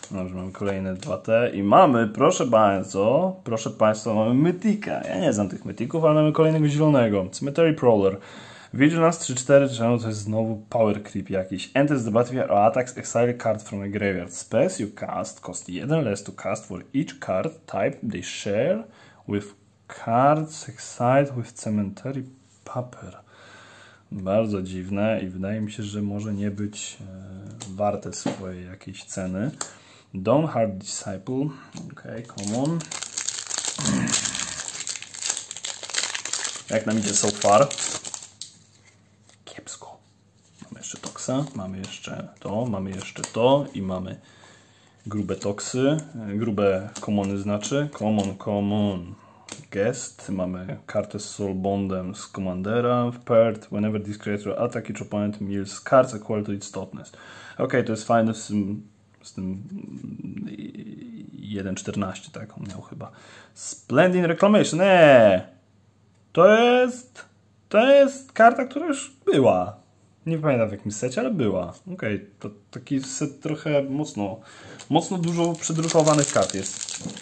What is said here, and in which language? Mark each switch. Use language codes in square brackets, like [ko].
[pl] Dobrze, mamy kolejne 2T i mamy, proszę Państwa, mamy mytika. Ja nie znam tych mytików, ale mamy kolejnego zielonego. Cemetery Prowler. Vigilance 3-4, czemu to jest znowu power creep jakiś. [en] Enters the battlefield or attacks exile card from a graveyard. Spells you cast cost 1 less to cast for each card type they share with cards exiled with cemetery paper. [pl] Bardzo dziwne i wydaje mi się, że może nie być warte swojej jakiejś ceny. Dawnheart Disciple, okej, okay, [en] come on. [pl] Jak nam idzie [en] so far? [pl] Kiepsko. Mamy jeszcze Toxa, mamy jeszcze to i mamy grube Toxy, grube Commony znaczy. Common. Guest, mamy kartę z Soul Bondem z Commandera. [en] Paired, whenever this creature attack each opponent mills cards equal to its toughness. [pl] Okej, okay, to jest fajne z tym... Z tym 1.14, tak on miał chyba. Splendid Reclamation, To jest karta, która już była. Nie pamiętam w jakim secie, ale była. Okej, okay, to taki set trochę mocno dużo przedrukowanych kart jest.